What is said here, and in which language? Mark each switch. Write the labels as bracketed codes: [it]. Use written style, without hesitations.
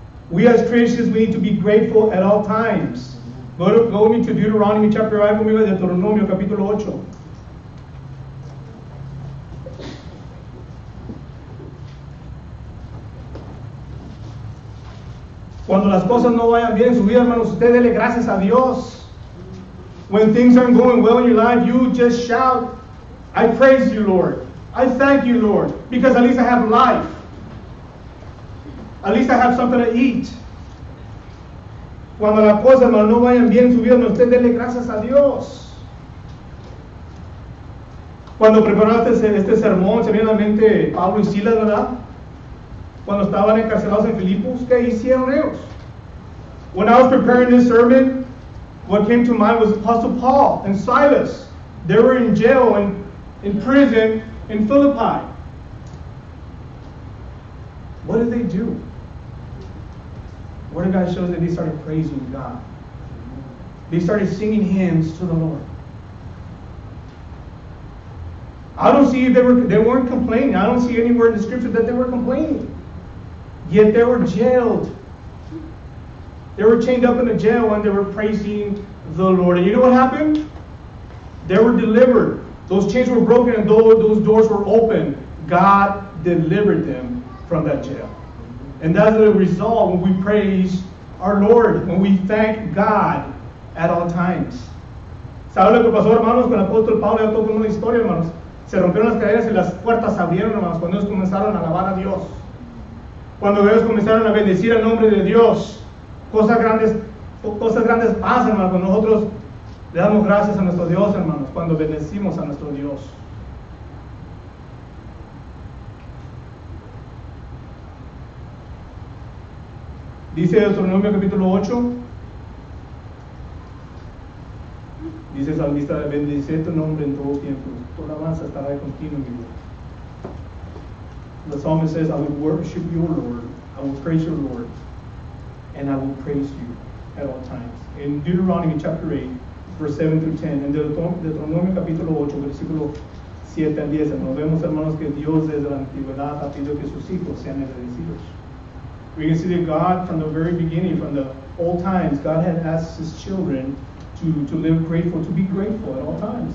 [en] We as Christians, we need to be grateful at all times. Go with me to Deuteronomy chapter 5, [es] conmigo, Deuteronomio capítulo 8. Cuando las cosas no vayan bien en su vida, hermanos, usted dele gracias a Dios. [en] When things aren't going well in your life, you just shout, I praise you, Lord. I thank you, Lord. Because at least I have life. At least I have something to eat. [es] Cuando las cosas, hermanos, no vayan bien en su vida, hermanos, usted dele gracias a Dios. Cuando preparaste este sermón, se viene a la mente Pablo y Silas, ¿verdad? Cuando estaban encarcelados en Filipos, ¿qué hicieron ellos? [en] When I was preparing this sermon, what came to mind was Apostle Paul and Silas. They were in jail and in prison in Philippi. What did they do? Word of God shows that they started praising God. They started singing hymns to the Lord. I don't see if they weren't complaining. I don't see anywhere in the scripture that they were complaining. Yet they were jailed. They were chained up in a jail and they were praising the Lord. And you know what happened? They were delivered. Those chains were broken and those doors were open. God delivered them from that jail. And that's the result when we praise our Lord, when we thank God at all times. [es] ¿Sabe lo que pasó, hermanos, con el apóstol Pablo? Ya tocó una historia, hermanos. Se rompieron las cadenas y las puertas se abrieron, hermanos, cuando ellos comenzaron a alabar a Dios. Cuando ellos comenzaron a bendecir el nombre de Dios. Cosas grandes pasan, hermanos, cuando nosotros le damos gracias a nuestro Dios, hermanos, cuando bendecimos a nuestro Dios. Dice Deuteronomio capítulo 8. Dice el salmista: bendice tu nombre en todo tiempo. Tu alabanza estará de continuo en mi vida. [en] The psalmist says, I will worship you, Lord. I will praise your Lord. And I will praise you at all times. In Deuteronomy chapter 8, verse 7 through 10. [es] En Deuteronomio capítulo 8, versículo 7 al 10. Nos vemos, hermanos, que Dios desde la antigüedad ha pedido que sus hijos sean agradecidos. [en] We can see that God, from the very beginning, from the old times, God had asked his children to live grateful, to be grateful at all times.